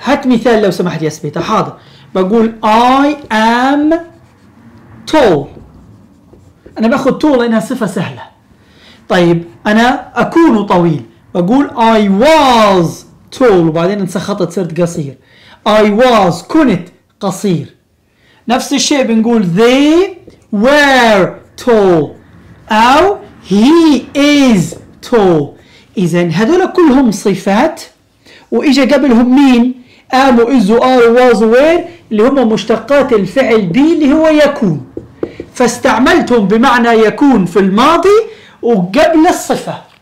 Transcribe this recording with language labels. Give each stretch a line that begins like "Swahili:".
Arabic: هات مثال لو سمحت يا سبيتا. حاضر، بقول
English: I am tall،
Arabic: أنا بأخذ tall لأنها صفة سهلة. طيب أنا أكون طويل، بقول
English: I was tall
Arabic: وبعدين انسخطت صرت قصير.
English: I was،
Arabic: كنت قصير. نفس الشيء بنقول
English: they were tall أو he is tall.
Arabic: إذا هذول كلهم صفات وإجا قبلهم مين؟ am و is و are و was و were، اللي هم مشتقات الفعل be اللي هو يكون، فاستعملتهم بمعنى يكون في الماضي وقبل الصفة.